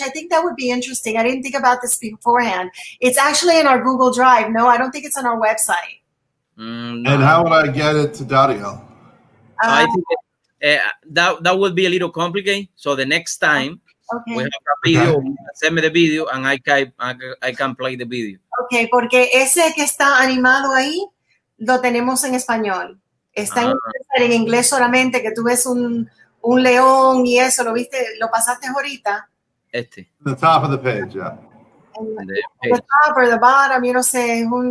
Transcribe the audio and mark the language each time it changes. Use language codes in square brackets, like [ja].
[en] I think that would be interesting. I didn't think about this beforehand. It's actually in our Google Drive. No, I don't think it's on our website. And how would I get it to Dariel? I think that would be a little complicated. So the next time We have a video, send me the video and I can play the video. [es] Okay, porque ese que está animado ahí lo tenemos en español. Está en inglés solamente, que tú ves un león y eso, lo viste, lo pasaste ahorita. Este. [en] The top of the page, yeah. the top or the bottom, you know, say,